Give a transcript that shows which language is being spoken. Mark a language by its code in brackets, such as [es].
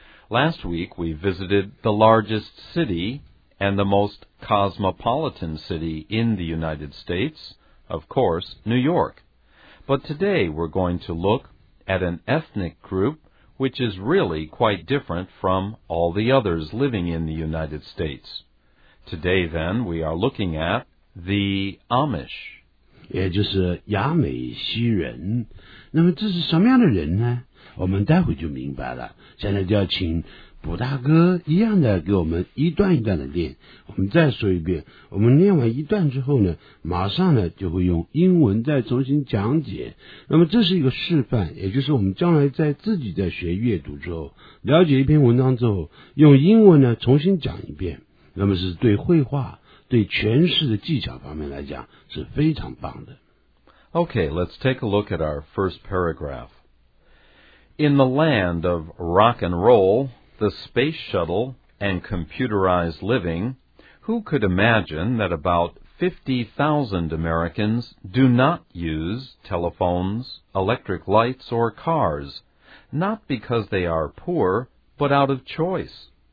[en] Last week, we visited the largest city and the most cosmopolitan city in the United States, of course, New York. But today, we're going to look at an ethnic group which is really quite different from all the others living in the United States. Today, then, we are looking at the Amish. [zh] 也就是亚美西人。那么这是什么样的人呢？我们待会就明白了，现在就要请卜大哥一样的给我们一段一段的念，我们再说一遍，我们念完一段之后呢，马上呢就会用英文再重新讲解。那么这是一个示范，也就是我们将来在自己在学阅读之后，了解一篇文章之后，用英文呢重新讲一遍，那么是对绘画、对诠释的技巧方面来讲是非常棒的。 [en] Okay, let's take a look at our first paragraph. In the land of rock and roll, the space shuttle, and computerized living, who could imagine that about 50,000 Americans do not use telephones, electric lights, or cars, not because they are poor, but out of choice?